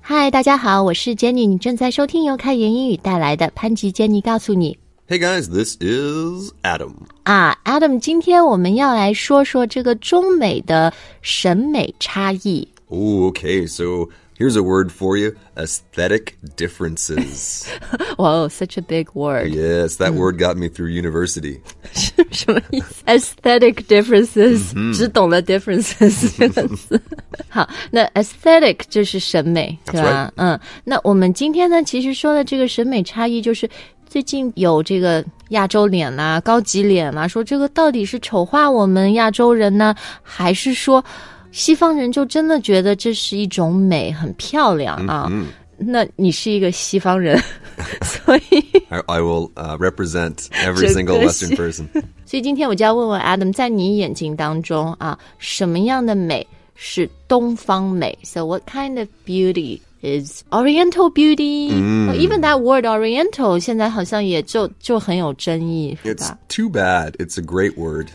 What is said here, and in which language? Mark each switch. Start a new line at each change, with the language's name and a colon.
Chinese: 大家好，我是 Jenny， 你正在收听由开言英语带来的潘吉 Jenny 告诉你。
English: Hey guys, this is Adam.
Chinese: Adam, 今天我们要来说说这个中美的审美差异。
English: Oh, okay, so here's a word for you, aesthetic differences. Whoa, such a big word. Yes, that word got me through university.
Chinese: 什么意思?
English: Aesthetic differences,
Chinese: 只懂了 differences. 好，那 aesthetic 就是审美，对吧？
English: That's right.
Chinese: 那我们今天呢，其实说的这个审美差异就是最近有这个亚洲脸啊，高级脸啊，说这个到底是丑化我们亚洲人呢，还是说西方人就真的觉得这是一种美，很漂亮啊。 Mm-hmm. 那你是一个西方人，所以
English: I will represent every single Western person.
Chinese: 所以今天我就要问问 Adam， 在你眼睛当中啊，什么样的美是东方美？
English: So what kind of beauty is Oriental beauty?、 Mm. Even that word Oriental
Chinese: 现在好像也就很有争议。
English: It's too bad. It's a great word.